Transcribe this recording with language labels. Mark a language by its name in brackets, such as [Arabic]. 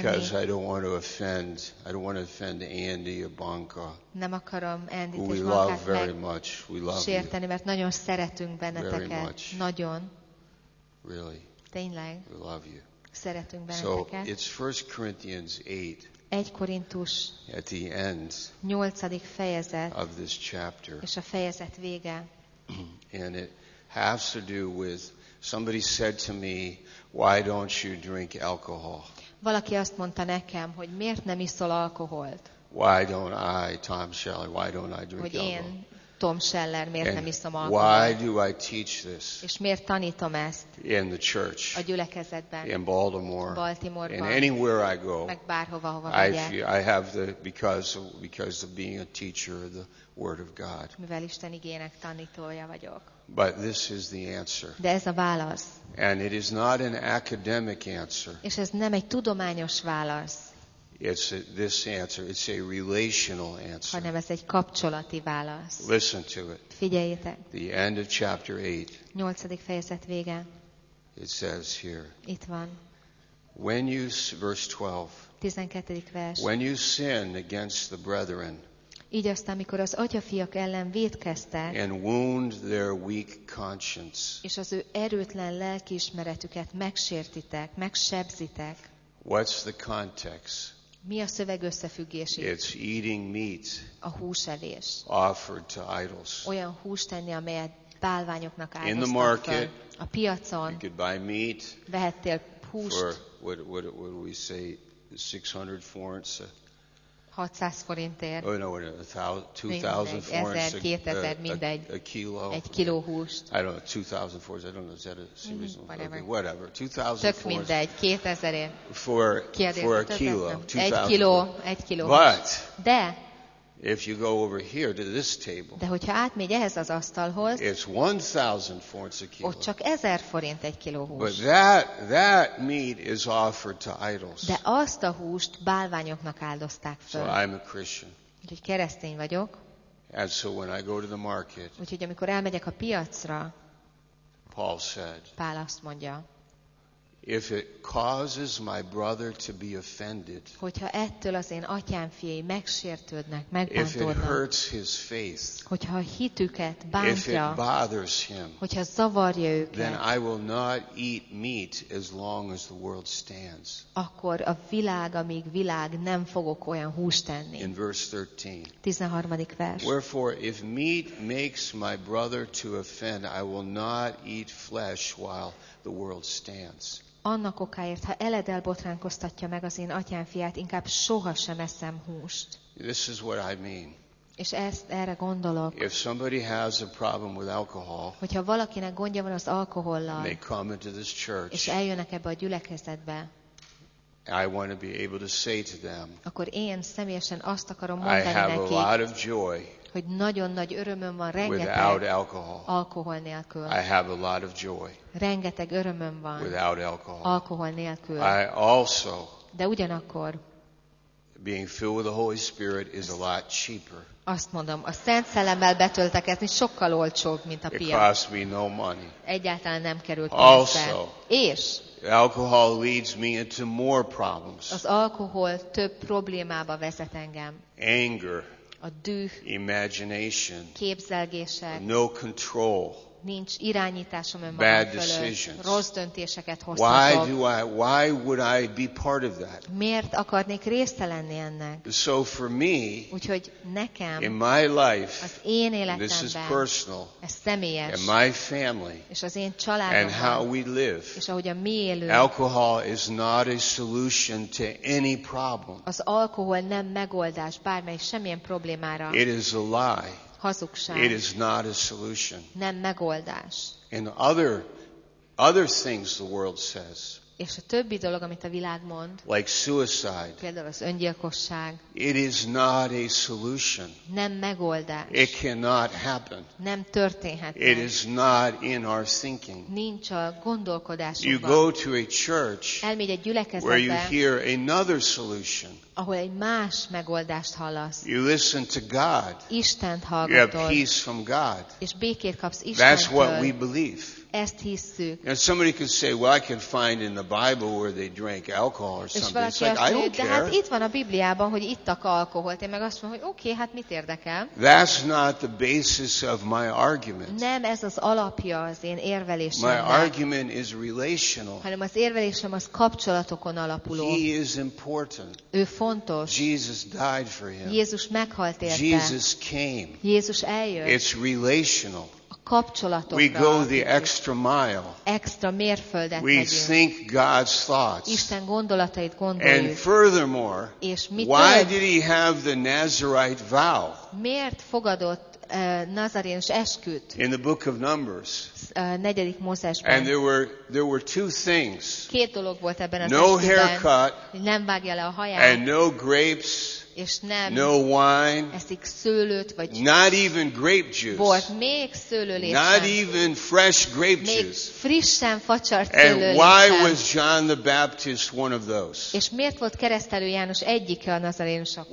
[English] Because I don't want to offend. I don't want to offend Andy or Banka. [Hungarian] Nem akarom Andy-t és Bankát megsérteni, mert nagyon szeretünk benneteket. Nagyon. [English] Really. [Hungarian] Tényleg. [English] We love you. [Hungarian] Szeretünk benneteket. [English] So it's 1 Corinthians 8. [Hungarian] 1 Korintus 8. fejezet [English] of this chapter. [Hungarian] És a fejezet vége. [English] And it has to do with somebody said to me, why don't you drink alcohol? [Hungarian] Valaki azt mondta nekem, hogy miért nem iszol alkoholt? [English] Why don't I, Tom Scheller, why don't I drink alcohol? [Hungarian] Hogy én, Tom Scheller, miért [English] and [Hungarian] nem iszom alkoholt? [English] Why do I teach this? [Hungarian] És miért tanítom ezt? [English] In the church. [Hungarian] A gyülekezetben. [English] In Baltimore. [Hungarian] Baltimoreban. [English] And anywhere I go. [Hungarian] Meg bárhova, hova megyek. [English] I have the because of being a teacher of the word of God. [Hungarian] Mivel Isten igének tanítója vagyok. [English] But this is the answer. [Hungarian] De ez a válasz. [English] And it is not an academic answer. [Hungarian] És ez nem egy tudományos válasz. [English] It's this answer. It's a relational answer. [Hungarian] Hanem ez egy kapcsolati válasz. [English] Listen to it. [Hungarian] Figyeljetek. [English] The end of chapter 8. [Hungarian] 8. fejezet vége. [English] It says here. [Hungarian] Itt van. [English] When you verse 12. [Hungarian] 12. vers. [English] When you sin against the brethren. [Hungarian] Így aztán, amikor az atyafiak ellen vétkeztek, [English] and wound their weak conscience. [Hungarian] És az ő erőtlen lelkiismeretüket megsértitek, megsebzitek. [English] What's the context? [Hungarian] Mi a szöveg összefüggése? [English] It's eating meat. [Hungarian] A húselés. [English] Offered to idols. [Hungarian] Olyan húst tenni, amelyet bálványoknak áldoztak. [English] In the market. [Hungarian] A piacon. [English] You could buy meat. [Hungarian] Vehettél húst. [English] For what we say 600 forints. [Hungarian] 600 forintért. [English] Oh no, 2000 forints. [Hungarian] Mindegy. [English] A kilo. [Hungarian] Egy kiló húst. [English] I don't know, 2000 forints. I don't know, is that a series? Whatever. Okay, whatever. 2000 forints. [Hungarian] Tök mindegy, 2000-ért. [English] For a kilo. [Hungarian] Egy kiló. [English] But. [Hungarian] De. [English] If you go over here to this table. [Hungarian] De hogyha átmegy ehhez az asztalhoz. [English] It's 1000 forints a kilo. [Hungarian] Ott csak 1000 forint egy kiló hús. [English] But that meat is offered to idols. [Hungarian] De azt a húst bálványoknak áldozták föl. [English] So I'm a Christian. [Hungarian] Úgyhogy keresztény vagyok. [English] And so when I go to the market. [Hungarian] Úgyhogy amikor elmegyek a piacra. [English] Paul said. [Hungarian] Pál azt mondja. [English] If it causes my brother to be offended. [Hungarian] Hogyha ettől az én atyám fiai megsértődnek, megbántódnak. [English] If it hurts his faith. [Hungarian] Hogyha a hitüket bántja. [English] If it bothers him. [Hungarian] Hogyha zavarja őket. [English] Then I will not eat meat as long as the world stands. [Hungarian] Akkor a világ, amíg világ, nem fogok olyan húst tenni. [English] In verse 13. [Hungarian] 13. vers. [English] Wherefore if meat makes my brother to offend, I will not eat flesh while the world stands. [Hungarian] Annak okáért, ha eledel botránkoztatja meg az én atyám fiát, inkább soha sem eszem húst. [English] This is what I mean. [Hungarian] És ezt erre gondolok. [English] If somebody has a problem with alcohol, [Hungarian] hogyha valakinek gondja van az alkohollal, [English] they come into this church, [Hungarian] és eljönnek ebbe a gyülekezetbe, [English] I want to be able to say to them, [Hungarian] akkor én személyesen azt akarom mondani nekik, [English] I have a lot of joy, [Hungarian] hogy nagyon nagy örömöm van rengeteg [English] without alcohol. [Hungarian] Alkohol nélkül. [English] I have a lot of joy. [Hungarian] Rengeteg örömöm van [English] without alcohol. [Hungarian] Alkohol nélkül. [English] I also. [Hungarian] De ugyanakkor. [English] Being filled with the Holy Spirit is a lot cheaper. [Hungarian] Azt mondom, a Szent Szellemmel betöltekezni sokkal olcsóbb, mint a piac. [English] It costs me no money. [Hungarian] Egyáltalán nem került pénzbe. És [English] alcohol leads me into more problems. [Hungarian] Az alkohol több problémába vezet engem. [English] Anger. [Hungarian] A düh, [English] imagination, [Hungarian] képzelgések, [English] no control, [Hungarian] nincs irányításom önmagam [English] bad [Hungarian] fölött, [English] decisions. [Hungarian] Rossz döntéseket hoztatok. [English] Why would I be part of that? [Hungarian] Miért akarnék része lenni ennek? [English] So for me, [Hungarian] úgyhogy nekem, [English] in my life, [Hungarian] az én életemben, [English] this is personal, [Hungarian] ez személyes, [English] and my family, [Hungarian] és az én családom, [English] and how we live, [Hungarian] és ahogyan mi élünk, [English] alcohol is not a solution to any problem. [Hungarian] Az alkohol nem megoldás bármely semmilyen problémára. [English] It is a lie. [Hungarian] Hazugság. [English] It is not a solution. [Hungarian] Nem megoldás. [English] And other things the world says. [Hungarian] És a többi dolog, amit a világ mond. [English] Like suicide. [Hungarian] Például az öngyilkosság. [English] It is not a solution. [Hungarian] Nem megoldás. [English] It cannot happen. [Hungarian] Nem történhet. [English] It is not in our thinking. [Hungarian] Nincs a gondolkodásunkban. [English] You go to a church. [Hungarian] Elmegy egy gyülekezetbe. [English] Where you hear another solution. [Hungarian] Ahol egy más megoldást hallasz. [English] You listen to God. [Hungarian] Istent hallgatod. [English] You have peace from God. [Hungarian] És békét kapsz Istentől. [English] That's what we believe. [Hungarian] Ezt hisszük. [English] And somebody could say, well, I can find in the Bible where they drank alcohol or something. [Hungarian] És valaki azt mondja, de hát itt van a Bibliában, hogy ittak alkoholt. Én meg azt mondom, hogy oké, hát mit érdekel? [English] That's not the basis of my argument. [Hungarian] Nem ez az alapja az én érvelésemnek. [English] My argument is relational. [Hungarian] Hanem az érvelésem az kapcsolatokon alapuló. [English] He is important. [Hungarian] Ő fontos. [English] Jesus died for him. [Hungarian] Jézus meghalt érte. [English] Jesus came. [Hungarian] Jézus eljött. [English] It's relational. [Hungarian] Kapcsolatokra. [English] We go the extra mile. [Hungarian] Extra mérföldet megyünk. [English] We think God's thoughts. [Hungarian] Isten gondolatait gondoljuk. [English] And furthermore, [Hungarian] és mit tud? [English] Why did he have the Nazarite vow? [Hungarian] Miért fogadott nazaréns esküt? [English] In the book of Numbers. [Hungarian] Negyedik Mózesben. [English] And there were two things. [Hungarian] Két dolog volt ebben az esküben. [English] No haircut. [Hungarian] Nem vágja le a haját. [English] And no grapes. [Hungarian] és nem [English] no wine, [Hungarian] eszik szőlőt, vagy [English] not even grape juice, [Hungarian] bort, még szőlőlét sem, [English] not even fresh grape juice, [Hungarian] még frissen facsart szőlőlét. [English] And why was John the Baptist one of those? [Hungarian] És miért volt Keresztelő János egyike a nazarénusoknak?